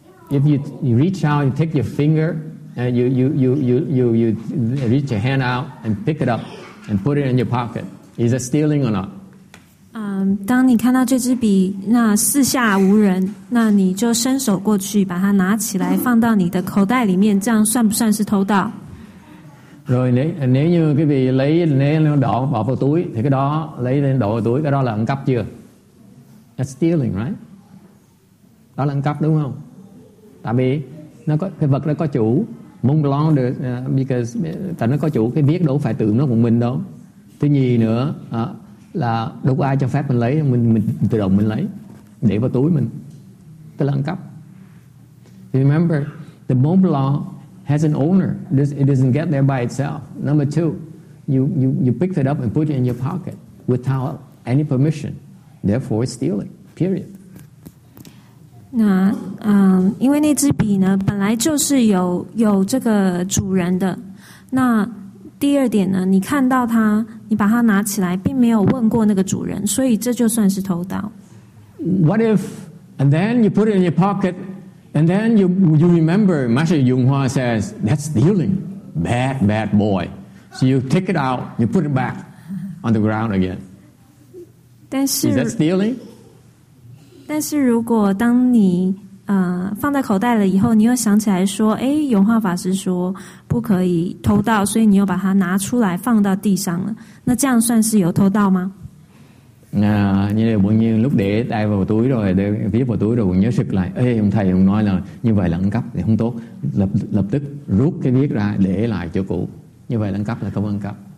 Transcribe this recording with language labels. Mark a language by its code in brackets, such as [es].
[en] If you reach out, you take your finger, and you reach your hand out and pick it up and put it in your pocket. Is it stealing or not? [zh] 当你看到这支笔，那四下无人，那你就伸手过去把它拿起来，放到你的口袋里面，这样算不算是偷盗？ [vi] Rồi nếu như cái vị lấy nên nó đỏ bỏ vào túi thì cái đó lấy lên đổ vào túi cái đó là ăn cắp chưa? [en] That's stealing, right? [vi] Đó là ăn cắp đúng không? Tại vì nó có cái vật nó có chủ. Mont Blanc được because tại nó có chủ, cái viết đâu phải tự nó một mình đâu. Thứ nhì nữa là đâu có ai cho phép mình lấy, mình tự động mình lấy để vào túi mình. Tức là ăn cắp. [en] Remember the Mont Blanc has an owner. It doesn't get there by itself. Number two, you pick it up and put it in your pocket without any permission. Therefore, steal it. Period. [zh] 那因为那支笔呢，本来就是有这个主人的。那第二点呢，你看到它，你把它拿起来，并没有问过那个主人，所以这就算是偷盗。 [en] What if and then you put it in your pocket? And then you remember, Master Yonghua says, that's stealing. Bad, bad boy. So you take it out, you put it back on the ground again. [zh] 但是, [en] is that stealing? [zh] 但是如果当你放在口袋了以后，你又想起来说，诶，永化法师说不可以偷盗，所以你又把它拿出来放到地上了。那这样算是有偷盗吗？ [vi] À, như là bỗng nhiên lúc để tay vào túi rồi để viết vào túi rồi nhớ sực lại, ê ông thầy ông nói là như vậy là ăn cắp thì không tốt, lập tức rút cái viết ra để lại chỗ cũ, như vậy là ăn cắp, là không ăn cắp.